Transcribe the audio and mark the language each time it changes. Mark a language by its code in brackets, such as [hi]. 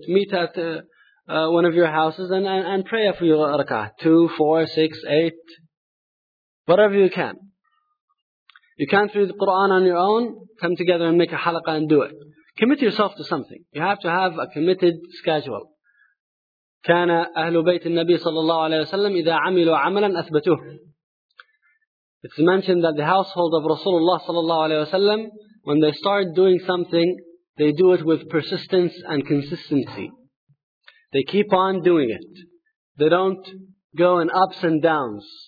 [en] Meet at one of your houses and pray a few rakah. 2, 4, 6, 8. Whatever you can. You can't read the Qur'an on your own, come together and make a halaqah and do it. Commit yourself to something. You have to have a committed schedule. [ar] كان أهل بيت النبي صلى الله عليه وسلم إذا عملوا عملا أثبتوه. [en] It's mentioned that the household of Rasulullah [ar] صلى الله عليه وسلم, [en] when they start doing something, they do it with persistence and consistency. They keep on doing it. They don't go in ups and downs.